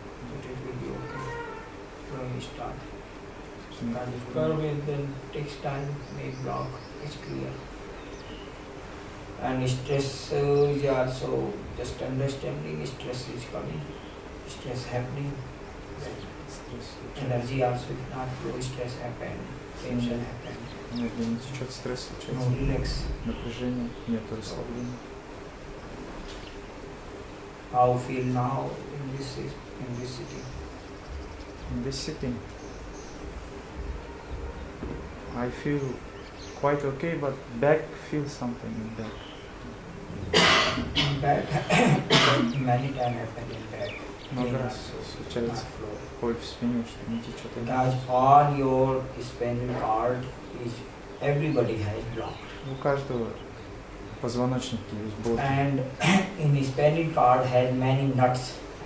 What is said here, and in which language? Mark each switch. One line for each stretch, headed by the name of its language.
English: But it will be okay. Flowing is start. Because if curve is then takes time, make block, it's clear. And stress is also just understanding stress is coming, stress happening. Stress. Energy also is not flow, stress happen, tension happen.
Russian: Energy не течет, стресс течет.
English: No, relax.
Russian: Напряжение, нет расслабления.
English: How feel now in this city? In this city? I feel quite okay, but back feels something in back. Back, many times happen in back. Because all your spinal cord is, everybody has blocked.
Russian: У каждого позвоночник есть болт.
English: And in the spinal cord has many nuts.